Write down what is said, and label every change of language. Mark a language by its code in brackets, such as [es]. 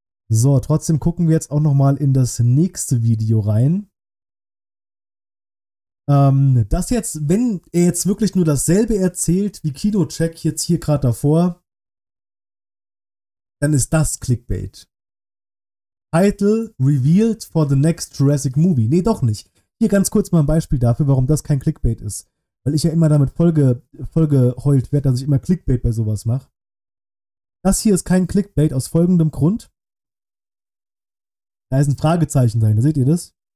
[de] So, trotzdem gucken wir jetzt auch nochmal in das nächste Video rein. Das jetzt, wenn er jetzt wirklich nur dasselbe erzählt wie Kinocheck jetzt hier gerade davor, dann ist das Clickbait. [en] Title revealed for the next Jurassic movie. [de] Nee, doch nicht. Hier ganz kurz mal ein Beispiel dafür, warum das kein Clickbait ist. Weil ich ja immer damit vollgeheult werde, dass ich immer Clickbait bei sowas mache. Das hier ist kein Clickbait aus folgendem Grund. Da ist ein Fragezeichen dahinter. Seht ihr das?